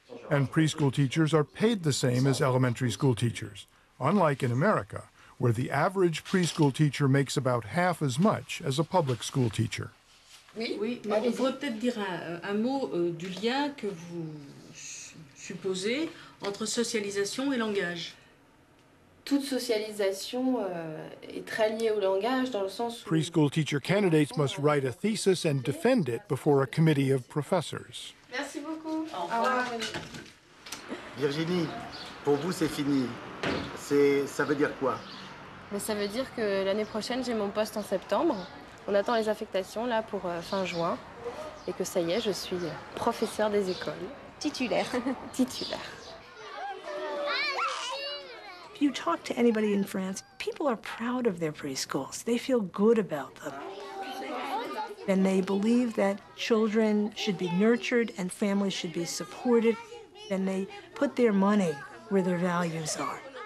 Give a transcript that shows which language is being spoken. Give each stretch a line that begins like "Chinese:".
English: And preschool teachers are paid the same as elementary school teachers, unlike in America, where the average preschool teacher makes about half as much as a public school teacher.
French: Oui, oui. On pourrait peut-être dire un mot du lien que vous supposez entre socialisation et langage. Toute socialisation est très liée au langage dans le sens où...
English: Preschool teacher candidates must write a thesis and defend it before a committee of professors.
French: Merci beaucoup. Au revoir. Virginie, pour vous c'est fini. Ça veut dire quoi? Mais ça veut dire que l'année prochaine j'ai mon poste en septembre. On attend les affectations là pour fin juin. Et que ça y est, je suis professeur des écoles. Titulaire. Titulaire.
English: You talk to anybody in France, people are proud of their preschools. They feel good about them. And they believe that children should be nurtured and families should be supported. And they put their money where their values are.